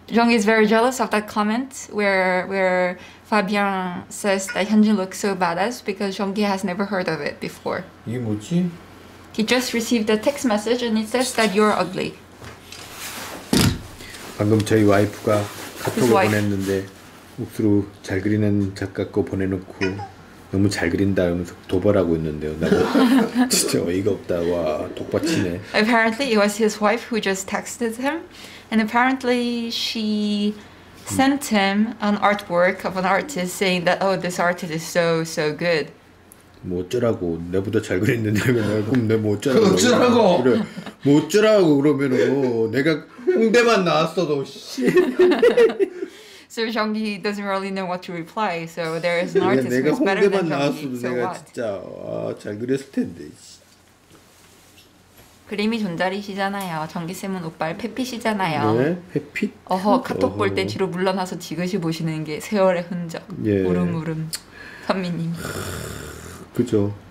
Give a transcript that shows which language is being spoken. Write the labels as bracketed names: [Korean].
[English] Jeongi is very jealous of that comment where Fabian says that 현진 looks so badass because Jeongi has never heard of it before. [Korean] 이게 뭐지? [English] He just received a text message and it says that you're ugly. [Korean] 방금 저희 와이프가 카톡을 보냈는데 옥수로 잘 그리는 작가 거 보내놓고 너무 잘 그린다 하면서 도발하고 있는데요. 나도 진짜 어이가 없다. 와, 독받치네. [English] Apparently it was his wife who just texted him and apparently she sent him an artwork of an artist saying that oh this artist is so good. [Korean] 뭐 어쩌라고 내보다 잘 그렸는데 그럼 내 뭐 어쩌라고 어쩌라고 그래 뭐 어쩌라고 그러면 내가 홍대만 나왔어도 씨 [English] So Jeongi doesn't really know what to reply. So there is an artist who's better than Jeongi. So what? [Korean] 내가 진짜 잘 그렸을 텐데. 그림이 존자리시잖아요. 정기쌤은 오빠를 페피시잖아요. 네, 페피? 어허, 카톡 볼 때 뒤로 물러나서 지그시 보시는 게 세월의 흔적. 예. 울음울음. 선미님. 그죠.